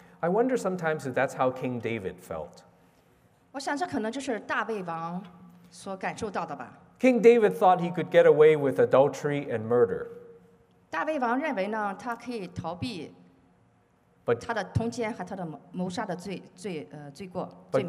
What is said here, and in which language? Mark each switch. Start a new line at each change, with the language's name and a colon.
English: I wonder sometimes if that's how King David felt.
Chinese: 我想这可能就是大卫王所感受到的吧。
English: King David thought he could get away with adultery and murder.
Chinese: 大卫王认为呢, 他可以逃避 他的通奸和他的谋杀的罪, 罪过, 罪名。